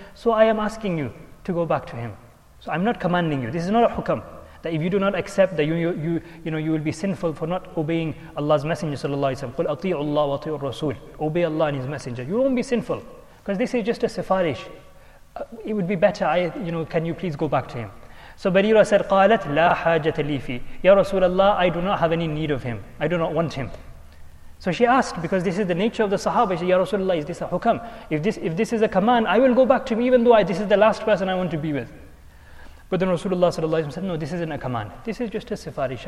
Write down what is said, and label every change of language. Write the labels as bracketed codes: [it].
[en] So I am asking you to go back to him. So I'm not commanding you. This is not a hukam. That if you do not accept, that you will be sinful for not obeying Allah's Messenger sallallahu alayhi wa sallam. [ar] Qul ati'u Allah wa ati'u Rasul. [en] Obey Allah and His Messenger. You won't be sinful. Because this is just a sufarish. It would be better, can you please go back to him? So Barira said, [ar] قَالَتْ لَا حَاجَةَ لِي فِي. [en] Ya Rasulullah, I do not have any need of him. I do not want him. So she asked, because this is the nature of the Sahaba. She said, ya Rasulullah, is this a hukam? If this is a command, I will go back to him, even though this is the last person I want to be with. But then Rasulullah sallallahu alayhi wa sallam said, no, this isn't a command. This is just a sifarish.